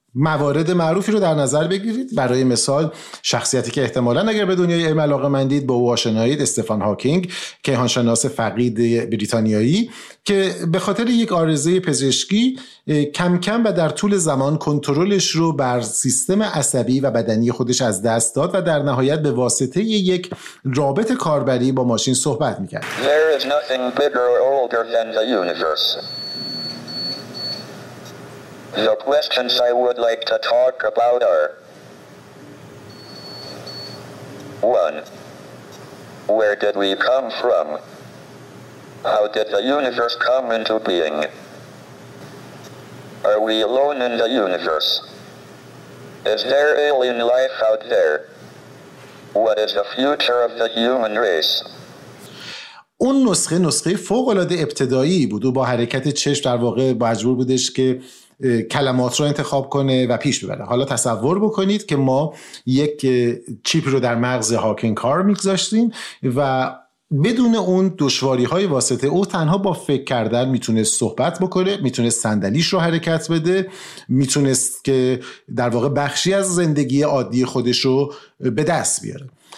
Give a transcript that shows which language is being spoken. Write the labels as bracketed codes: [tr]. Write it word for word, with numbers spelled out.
[fa] موارد معروفی رو در نظر بگیرید. برای مثال شخصیتی که احتمالاً اگر به دنیای علم علاقه‌مندید با او آشنایید، استفان هاکینگ، کیهانشناس فقید بریتانیایی که به خاطر یک آرزوی پزشکی کم کم و در طول زمان کنترلش رو بر سیستم عصبی و بدنی خودش از دست داد و در نهایت به واسطه یک رابط کاربری با ماشین صحبت می‌کرد. [en] There is nothing bigger or older than the universe. The questions I would like to talk about are one. Where did we come from? How did the universe come into being? Are we alone in the universe? Is there alien life out there? What is the future of the human race? [fa] اون نسخه نسخه فوق‌العاده ابتدایی بود و با حرکت چشم در واقع مجبور بودش که کلمات رو انتخاب کنه و پیش ببره. حالا تصور بکنید که ما یک چیپ رو در مغز هاکینگ کار میگذاشتیم و بدون اون دشواری‌های واسطه او تنها با فکر کردن میتونست صحبت بکنه، میتونست صندلیش رو حرکت بده، میتونست که در واقع بخشی از زندگی عادی خودش رو به دست بیاره.